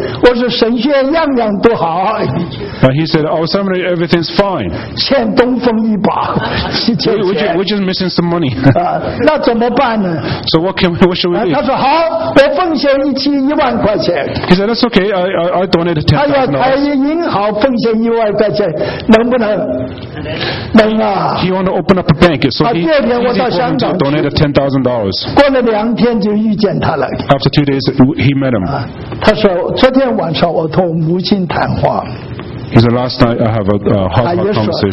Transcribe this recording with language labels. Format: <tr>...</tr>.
<zh>我说神学院样样都好。</zh> <en>He said, our seminary, everything's fine.</en> <zh>欠东风一把，是欠钱。</zh> <en>We're just missing some money.</en> <zh>那怎么办呢？</zh> <en>So what should we do?</en> <zh>他说好，我奉献1万块钱。</zh> <en>He said, that's okay, I donated $10,000.</en> <zh>他要开银行奉献1万块钱，能不能？能啊。</zh> <en>He want to open up a bank, so he easily donated $10,000.</en> <zh>过了两天就遇见他了。</zh> <en>After 2 days, he met him.</en> <zh>他说昨天晚上我同母亲谈话。</zh> <en>He said, last night I have a hard conversation.</en>